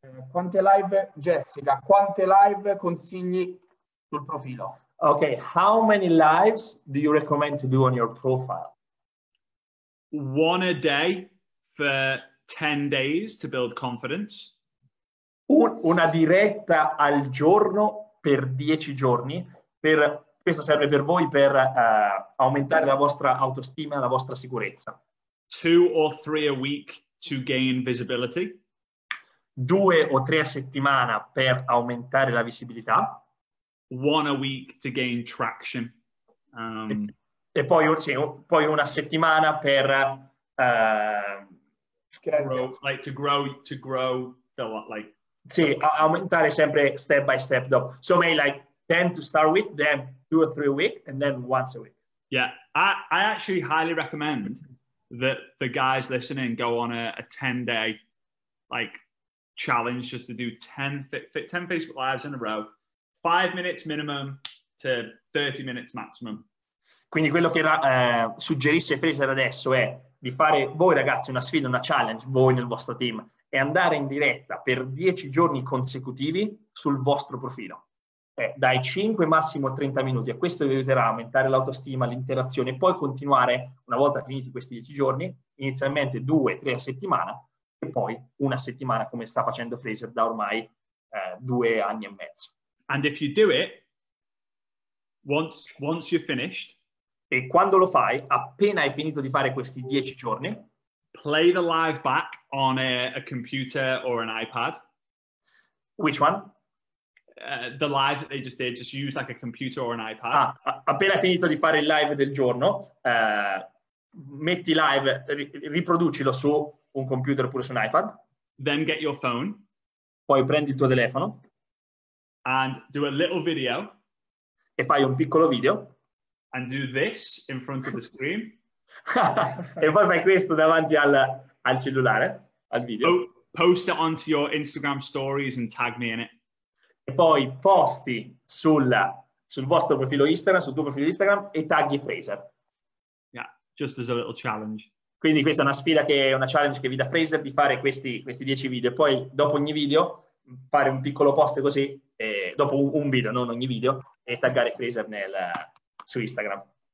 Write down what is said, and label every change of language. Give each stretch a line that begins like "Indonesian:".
Italian: Quante live, Jessica, quante live consigli sul profilo?
English: Ok, how many lives do you recommend to do on your profile? One a day for 10 days to build confidence.
Italian: Una diretta al giorno per 10 giorni. Questo serve per voi per aumentare la vostra autostima, la vostra sicurezza.
English: Two or three a week to gain visibility.
Italian: Due o tre a settimana per aumentare la visibilità.
English: One a week to gain traction.
Italian: E poi una settimana per aumentare sempre
English: step by step though. So maybe like 10 to start with, then 2 or 3 a week, and then once a week. Yeah, I actually highly recommend that the guys listening go on a 10-day like challenge just to do 10 Facebook lives in a row, 5 minutes minimum to 30 minutes maximum.
Italian: Quindi quello che suggerisce Fraser adesso è di fare voi ragazzi una sfida, una challenge, voi nel vostro team, e andare in diretta per 10 giorni consecutivi sul vostro profilo. Dai 5 massimo a 30 minuti, e questo vi aiuterà a aumentare l'autostima, l'interazione, e poi continuare una volta finiti questi 10 giorni, inizialmente 2-3 a settimana, e poi una settimana come sta facendo Fraser da ormai 2 anni e mezzo.
English: And if you do it, once you're finished,
Italian: e quando lo fai, appena hai finito di fare questi 10 giorni,
English: play the live back on a computer or an iPad. Which one? The live that they just did, just use like a computer or an iPad.
Italian: Ah, appena hai finito di fare il live del giorno, metti live, riproducilo su un computer oppure su un iPad.
English: Then get your phone.
Italian: Poi prendi il tuo telefono.
English: And do a little video.
Italian: E fai un piccolo video.
English: And do this in front of the screen.
Italian: E poi fai questo davanti al cellulare, al video.
English: Post it onto your Instagram stories and tag me in it.
Italian: E poi posti sul vostro profilo Instagram, sul tuo profilo Instagram, e tagghi Fraser.
English: Yeah, just as a little challenge.
Italian: Quindi questa è una sfida, che è una challenge che vi dà Fraser, di fare questi 10 video. E poi dopo ogni video fare un piccolo post così, dopo un video, non ogni video, e taggare Fraser su Instagram.